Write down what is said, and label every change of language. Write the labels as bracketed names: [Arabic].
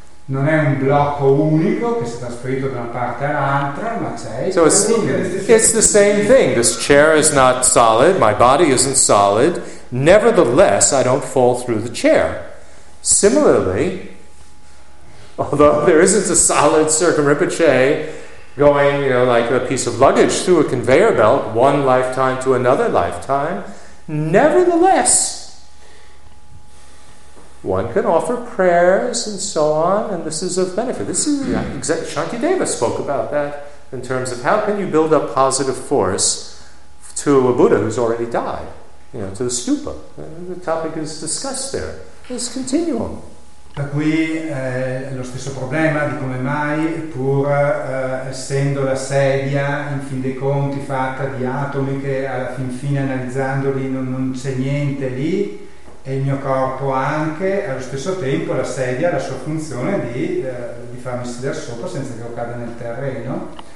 [Italian] non è un blocco unico che si è trasferito da una parte all'altra, ma c'è. [English] So it's the same thing. This chair is not solid, my body isn't solid, nevertheless I don't fall through the chair. Similarly, although there isn't a solid circumripeche going, you know, like a piece of luggage through a conveyor belt one lifetime to another lifetime, nevertheless, one can offer prayers and so on, and this is of benefit. This is exactly, Shantideva spoke about that in terms of how can you build up positive force to a Buddha who's already died, you know, to the stupa. The topic is discussed there. This continuum. [Italian] Per cui è lo stesso problema di come mai, pur essendo la sedia in fin dei conti fatta di atomi che alla fin fine analizzandoli non c'è niente lì, e il mio corpo anche, allo stesso tempo la sedia ha la sua funzione di farmi sedere sopra senza che io cada nel terreno.